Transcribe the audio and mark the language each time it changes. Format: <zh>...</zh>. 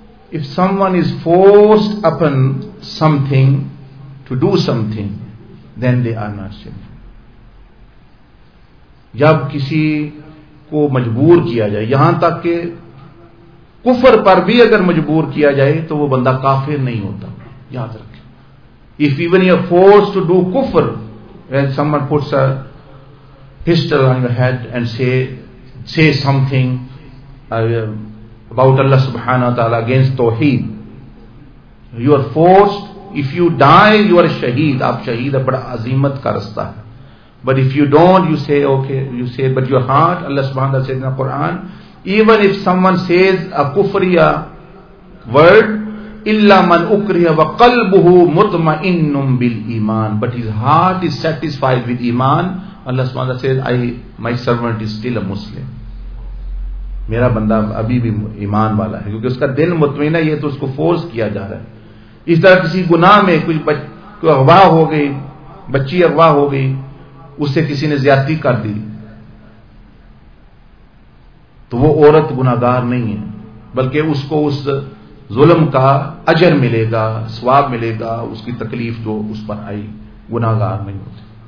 <en>If someone is forced upon something to do something, then they are not sinful.</en> <ur>جب کسی کو مجبور کیا جائے، یہاں تک کہ کفر پر بھی اگر مجبور کیا جائے تو وہ بندہ کافر نہیں ہوتا، یاد رکھیں.</ur> <en>If even you are forced to do kufr, when someone puts a pistol on your head and say something about Allah subhanahu wa ta'ala against توحید, you are forced. If you die you are a shaheed,</en> <ur>آپ شہید ہے، بڑا عظیمت کا رستہ ہے.</ur> <en>But if you don't, you say okay, you say, but your heart, Allah subhanahu wa ta'ala said in the Quran, even if someone says a kufriya word,</en> <ar>illa man ukriya wa qalbuhu mutma'innun bil iman,</ar> <en>but his heart is satisfied with iman, Allah subhanahu wa ta'ala says, my servant is still a Muslim,</en> <ur>میرا بندہ ابھی بھی ایمان والا ہے، کیونکہ اس کا دل مطمئنہ یہ تو اس کو فورس کیا جا رہا ہے. اس طرح کسی گناہ میں کوئی اغوا ہو گئی، بچی اغوا ہو گئی، اس سے کسی نے زیادتی کر دی، تو وہ عورت گناہگار نہیں ہے، بلکہ اس کو اس ظلم کا اجر ملے گا، ثواب ملے گا، اس کی تکلیف جو اس پر آئی، گناہگار نہیں ہوتی.</ur>